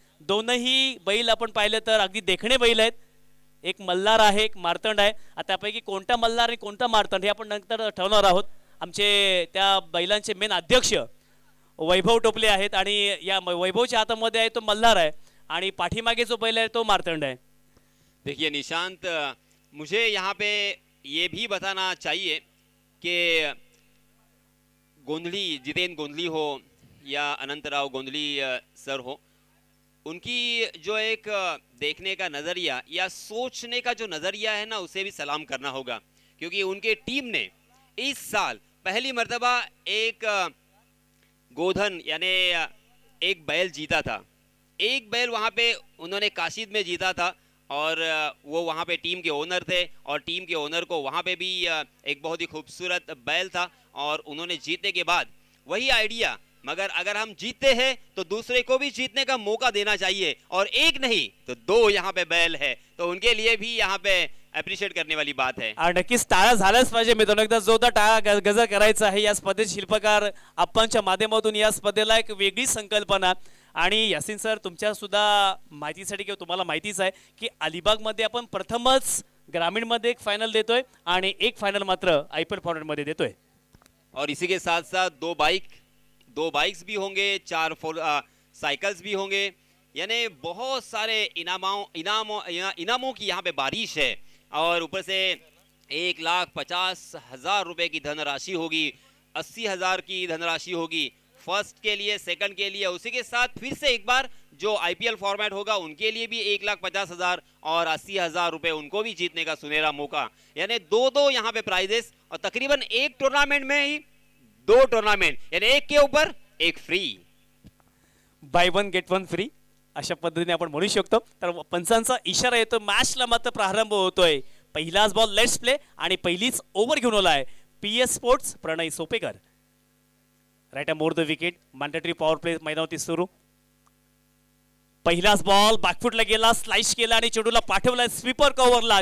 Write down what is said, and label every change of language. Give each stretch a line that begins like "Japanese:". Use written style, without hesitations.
Marathi: दोनही बैल आपण पाहिले तर अगदी देखणे बैल आहेत. एक मल्हार आहे, एक मार्तंड आहे. आता त्यापैकी कोणता मल्हार आणि कोणता मार्तंड हे आपण नंतर ठरवणार आहोत. आमचे त्या बैलांचे मेन अध्यक्ष वैभव टोपले आहेत, आणि या वैभवच्या हातामध्ये आहे तो मल्हार आहे, आणि पाठीमागे जो बैल आहे तो मार्तंड आहे.
Hindi: देखिए निशांत, मुझे यहाँ पे ये भी बताना चाहिए कि गोंधली, जितेंद्र गोंधली हो या अनंतराव गोंधली सर हो, उनकी जो एक देखने का नजरिया या सोचने का जो नजरिया है ना, उसे भी सलाम करना होगा, क्योंकि उनके टीम ने इस साल पहली मर्तबा एक गोधन यानी एक बैल जीता था. एक बैल वहाँ पे उन्होंने काशीद में जीता था, और वो वहाँ पे टीम के ओनर थे, और टीम के ओनर को वहाँ पे भी एक बहुत ही खूबसूरत बैल था, और उन्होंने जीतने के बाद वही आइडिया, मगर अगर हम जीतते हैं तो दूसरे को भी जीतने का मौका देना चाहिए, और एक नहीं तो दो यहाँ पे बैल है, तो उनके लिए भी यहाँ पे अप्रिशिएट करने वाली बात है.
Marathi: नक्कीच टाळा झालंच पाहिजे मित्रांनो, एकदा जोरदार टाळा गजर करायचा आहे या स्पर्धेचे शिल्पकार आपांच्या माध्यमातून. या स्पर्धेला एक वेगळी संकल्पना, आणि यासीन सर तुमच्या सुद्धा माहितीसाठी किंवा तुम्हाला माहितीच आहे की अलिबागमध्ये आपण प्रथमच ग्रामीणमध्ये एक फायनल देतोय, आणि एक फायनल मात्र आय पी एल फॉर्मॅटमध्ये देतोय.
Hindi: और इसी के साथ साथ दो बाइक्स भी होंगे, 4-4 सायकल्स भी होंगे, यानी बहुत सारे इनामों की यहाँ पे बारिश है, और ऊपर से 1,50,000 रुपये की धनराशि होगी, 80,000 की धनराशि होगी फर्स्ट के लिए, सेकंड के लिए, उसी के साथ फिर से एक बार जो आईपीएल फॉर्मेट होगा उनके लिए भी 1,50,000 और 80,000 रुपए उनको भी जीतने का सुनहरा मौका, यानी दो दो यहां पे प्राइजेस, और तकरीबन एक टूर्नामेंट में ही दो टूर्नामेंट, यानी एक के ऊपर एक free,
English: buy one get one free
Marathi: अशा पद्धतीने आपण म्हणू शकतो. तर पंचांचा इशारा येतो, मॅचला मात्र प्रारंभ होतोय. पहिलाच बॉल
English: let's play,
Marathi: आणि पहिलीच ओव्हर घेऊन आला आहे PS sports Pranay सोपेकर. Right अमोर the wicket, mandatory power play मैदानावरती सुरू. पहिलाच बॉल बॅकफुटला गेला, स्लाइस केला आणि चेंडूला पाठवला स्वीपर कव्हरला.